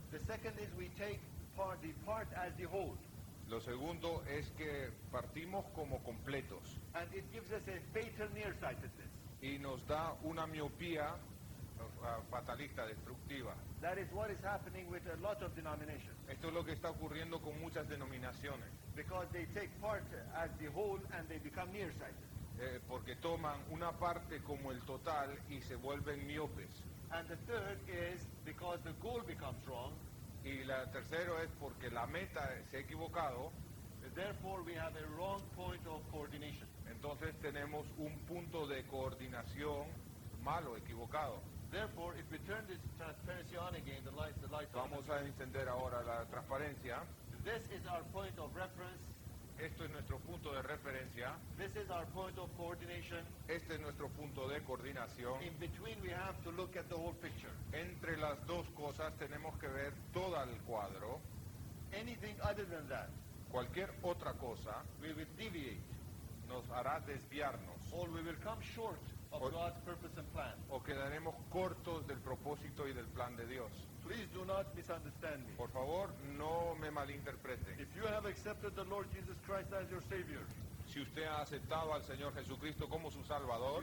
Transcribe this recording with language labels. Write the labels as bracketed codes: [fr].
[en] The second is we take the part as the whole. [es] Lo segundo es que partimos como completos. [en] And it gives us a fatal nearsightedness. [es] Y nos da una miopía fatalista, destructiva. [en] That is what is happening with a lot of denominations. [es] Esto es lo que está ocurriendo con muchas denominaciones. [en] Because they take part as the whole and they become nearsighted. [es] Porque toman una parte como el total y se vuelven miopes. [en] And the third is because the goal becomes wrong. [es] Y la tercero es porque la meta se ha equivocado. [en] Therefore we have a wrong point of coordination. [es] Entonces tenemos un punto de coordinación malo, equivocado. [en] Therefore, if we turn this transparency on again, the light. [es] Vamos a encender ahora la transparencia. [en] This is our point of reference. [es] Esto es nuestro punto de referencia. [en] This is our point of coordination. [es] Este es nuestro punto de coordinación. [en] In between, we have to look at the whole picture. [es] Entre las dos cosas, tenemos que ver todo el cuadro. [en] Anything other than that, [es] cualquier otra cosa, [en] we will deviate. [es] Nos hará desviarnos. [en] Or we will come short. Of God's purpose and plan. [es] O quedaremos cortos del propósito y del plan de Dios. [en] Please do not misunderstand me. [es] Por favor, no me malinterpreten. [en] If you have accepted the Lord Jesus Christ as your Savior, [es] si usted ha aceptado al Señor Jesucristo como su Salvador,